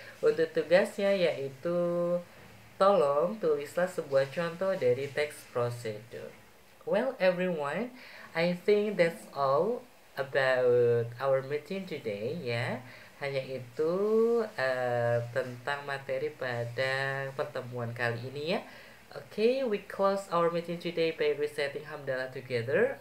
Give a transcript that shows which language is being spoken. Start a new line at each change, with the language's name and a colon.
Indonesian: Untuk tugasnya yaitu tolong tulislah sebuah contoh dari teks prosedur.
English: Well, everyone, I think that's all about our meeting today, ya.
Indonesian: Hanya itu tentang materi pada pertemuan kali ini, ya.
English: Okay, we close our meeting today by reciting hamdalah together.